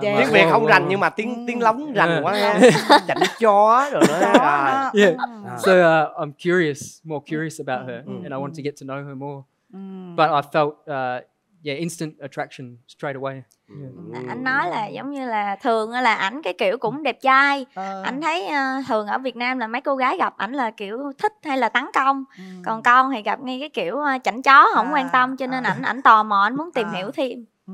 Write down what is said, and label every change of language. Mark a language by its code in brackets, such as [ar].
[vi] Tiếng Việt không rành nhưng mà tiếng lóng rành quá ha. Chảnh chó rồi đó. [en] So I'm more curious about her and I want to get to know her more. But I felt instant attraction straight away. [vi] Anh nói là giống như là thường là ảnh cái kiểu cũng đẹp trai. Ảnh thấy thường ở Việt Nam là mấy cô gái gặp ảnh là kiểu thích hay là tấn công. Còn con thì gặp ngay cái kiểu chảnh chó không quan tâm, cho nên ảnh tò mò, ảnh muốn tìm hiểu thêm.